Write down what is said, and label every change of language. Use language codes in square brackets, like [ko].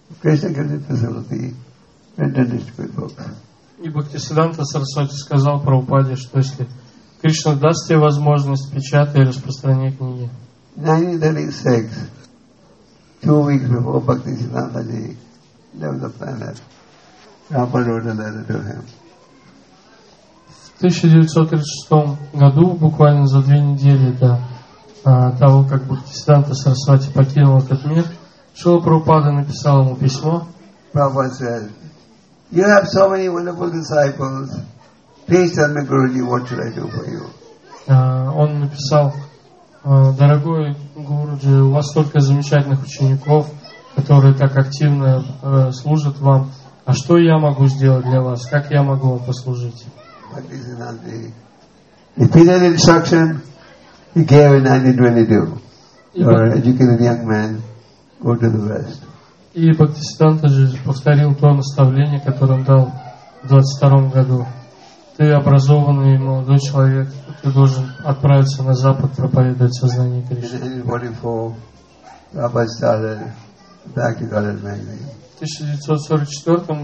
[en] Krishna gives the facility and to distribute books. [ru] И Бхакти Сиддханта Сарасвати сказал Прабхупаде, что если Кришна даст тебе возможность печатать и распространять книги. [en] In 1936, 2 weeks before Bhakti Siddhanta Ji left the planet, Prabhupada wrote a letter to him. [ru] В 1936 году, буквально за 2 недели до того, как Бхакти Сиддханта Сарасвати покинул этот мир, Шрила Прабхупада написал ему письмо. [en] Prabhupada said, "You have so many wonderful disciples. Please tell me, Guruji, what should I do for you?" [ru] Он написал: "Дорогой Гуруджи, у вас столько замечательных учеников, которые так активно служат вам. А что я могу сделать для вас? Как я могу вам послужить?" [en] But this is not the repeated instruction he gave in 1922. "You're an educated young man. Go to the West." [ru] И Бхактисиддханта же повторил то наставление, которое он дал в 22 году. Ты образованный молодой человек, ты должен отправиться на Запад проповедовать сознание Кришны. В 1944